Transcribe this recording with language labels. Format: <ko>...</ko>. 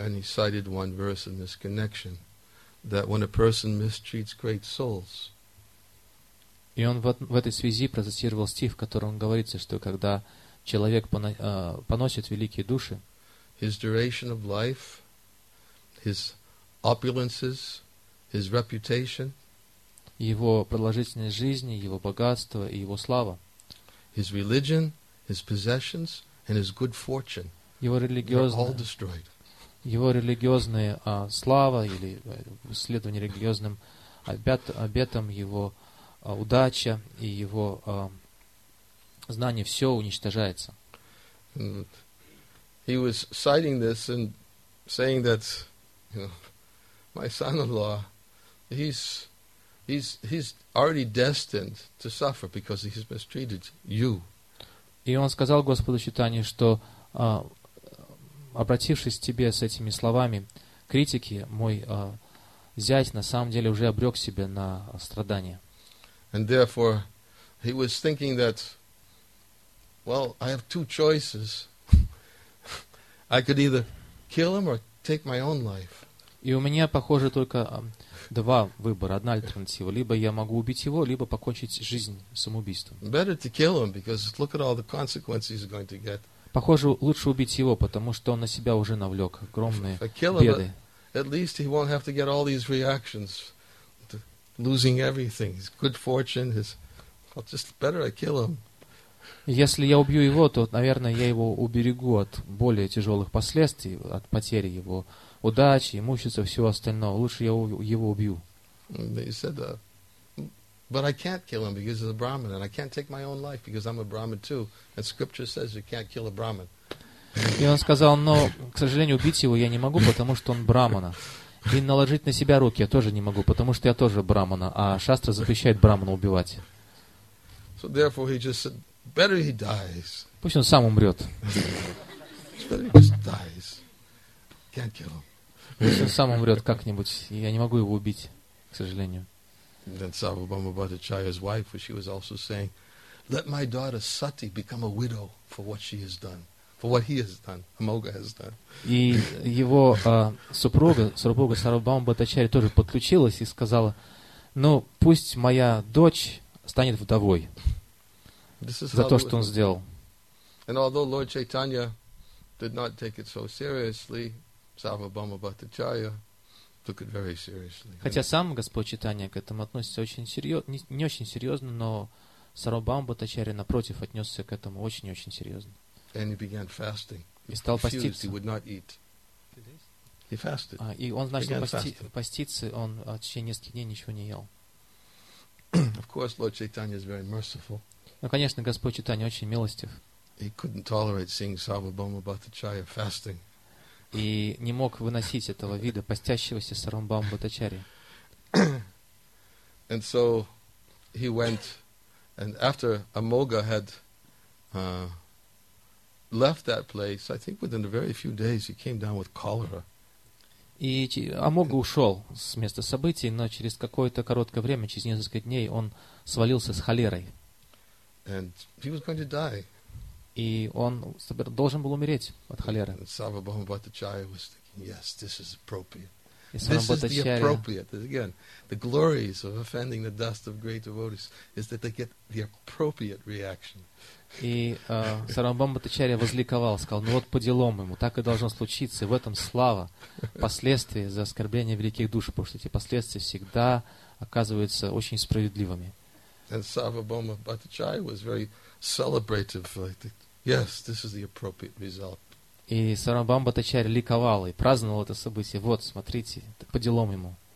<en>And he cited one verse in this connection that when a person mistreats great souls.</en> <ru>И он в этой связи процитировал стих, в котором говорится, что когда человек поносит великие души,</ru> <en>his duration of life, his opulences, his reputation,</en> <ru>его продолжительность жизни, его богатство и его слава,</ru> <en>his religion, his possessions, and his good fortune,</en> <ru>его религиозная,</ru> <en>all destroyed.</en> <ru>Его религиозная слава или следование религиозным обетам, его удача и его знание все уничтожается.</ru> <en>He was citing this and saying that, you know, my son-in-law, he's already destined to suffer because he's mistreated you.</en> <ru>И он сказал Господу Чайтанье, что обратившись к тебе с этими словами критики, мой зять на самом деле уже обрек себя на страдания.</ru> <en>And therefore, he was thinking that, well, I have two choices. I could either kill him or take my own life.</en> <ru>И у меня, похоже, только два выбора, одна альтернатива. Либо я могу убить его, либо покончить жизнь самоубийством.</ru> <en>Better to kill him, because look at all the consequences he's going to get.</en> <ru>Похоже, лучше убить его, потому что он на себя уже навлек огромные беды.</ru> <en>At least he won't have to get all these reactions. Losing everything, his good fortune, his... I'll just better I kill him.</en> <ru>Если я убью его, то, наверное, я его уберегу от более тяжелых последствий, от потери его удачи, имущества, всего остального. Лучше я его убью.</ru> <en>He said, but I can't kill him because he's a Brahmin, and I can't take my own life because I'm a Brahmin too. And scripture says you can't kill a Brahmin.</en> <ru>И он сказал, но, к сожалению, убить его я не могу, потому что он Брахмана. И наложить на себя руки я тоже не могу, потому что я тоже брахмана, а шастра запрещает брахмана убивать.</ru> <en>So therefore he just said, better he dies.</en> <ru>Пусть он сам умрет.</ru> <en>Better he just dies. Can't kill him.</en> <ru>Пусть он сам умрет как-нибудь, я не могу его убить, к сожалению.</ru> <en>And then Sarvabhauma Bhattacharya's wife, she was also saying, let my daughter Sati become a widow for what she has done. For what he has done, Amogha has done.</en> <ru>И его супруга Сарвабхаума Бхаттачарья тоже подключилась и сказала: "Ну, пусть моя дочь станет вдовой за то, что он сделал."</ru> <en>And although Lord Chaitanya did not take it so seriously, Sarvabhauma Bhattacharya took it very seriously.</en> <ru>Хотя сам Господь Читания к этому относится очень серьезно, не очень серьезно, но Сарвабхаума Бхаттачарья напротив отнесся к этому очень и очень серьезно.</ru> <en>And he began fasting.</en> <ru>И стал поститься.</ru> <en>He would not eat. He fasted.</en> <ru>И он начал поститься, он в течение нескольких дней ничего не ел.</ru> <en>Of course, Lord Chaitanya is very merciful.</en> <ru>Ну, конечно, Господь Читания очень милостив.</ru> <en>He couldn't tolerate seeing Sarvabhauma Bhattacharya fasting.</en> <ru>И не мог выносить этого вида постящегося Сарвабхаума Бхаттачарьи.</ru> <en>And so he went, and after Amogha had left that place, I think within a very few days he came down with cholera.</en> <ru>И Амога ушел с места событий, но через какое-то короткое время, через несколько дней, он свалился с холерой.</ru> <en>And he was going to die.</en> <ru>И он должен был умереть от холеры.</ru> <en>And Sarvabhauma Bhattacharya was thinking, yes, this is appropriate. This is the appropriate. Again, the glories of offending the dust of great devotees is that they get the appropriate reaction.</en> <ru>И Сарвабхаума Бхаттачарья возликовал, сказал, ну вот по делам ему, так и должно случиться, и в этом слава, последствия за оскорбление великих душ, потому что эти последствия всегда оказываются очень справедливыми.</ru> <en>And Sarvabhauma Bhattacharya was very celebrative, like, yes, this is the appropriate result.</en> <ru>И Сарвабхаума Бхаттачарья ликовал и праздновал это событие. Вот, смотрите, по делам ему.</ru>